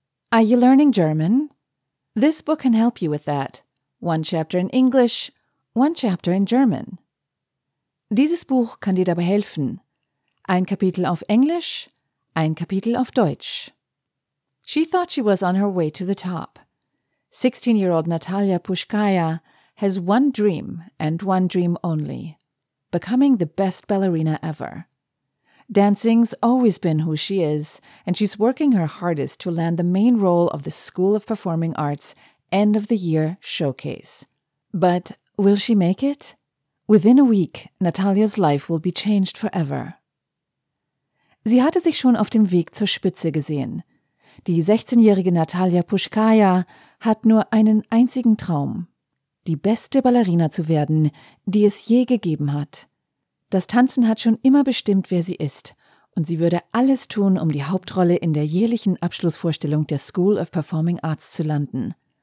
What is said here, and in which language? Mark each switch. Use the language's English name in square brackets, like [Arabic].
[English] Are you learning German? This book can help you with that. One chapter in English, one chapter in German. [German] Dieses Buch kann dir dabei helfen. Ein Kapitel auf Englisch, ein Kapitel auf Deutsch. [English] She thought she was on her way to the top. 16-year-old Natalia Pushkaya has one dream and one dream only. Becoming the best ballerina ever. Dancing's always been who she is, and she's working her hardest to land the main role of the School of Performing Arts end-of-the-year showcase. But will she make it? Within a week, Natalia's life will be changed forever. [German] Sie hatte sich schon auf dem Weg zur Spitze gesehen. Die 16-jährige Natalia Pushkaya hat nur einen einzigen Traum. Die beste Ballerina zu werden, die es je gegeben hat. Das Tanzen hat schon immer bestimmt, wer sie ist, und sie würde alles tun, um die Hauptrolle in der jährlichen Abschlussvorstellung der School of Performing Arts zu landen.